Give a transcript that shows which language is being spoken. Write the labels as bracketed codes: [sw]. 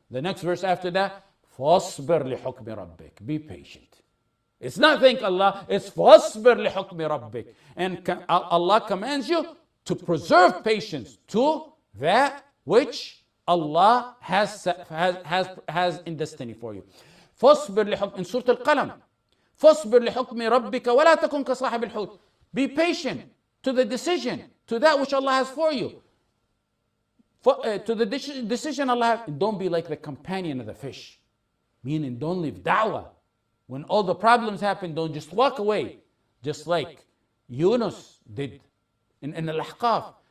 [en] The next verse after that, fasbir li hukmi rabbik. Be patient. It's not thank Allah, it's [ar] فَاصْبِرْ لِحُكْمِ رَبِّكِ. [en] And Allah commands you to preserve patience to that which Allah has in destiny for you. [ar] فَاصْبِرْ لِحُكْمِ [en] In Surah Al-Qalam, [ar] فَاصْبِرْ لِحُكْمِ رَبِّكَ وَلَا تَكُنْ كَصَاحِبِ الْحُوتِ. [en] Be patient to the decision, to that which Allah has for you. To the decision Allah has, don't be like the companion of the fish. Meaning don't leave da'wah. When all the problems happen, don't just walk away, just like Yunus did in Al-Ahqaf.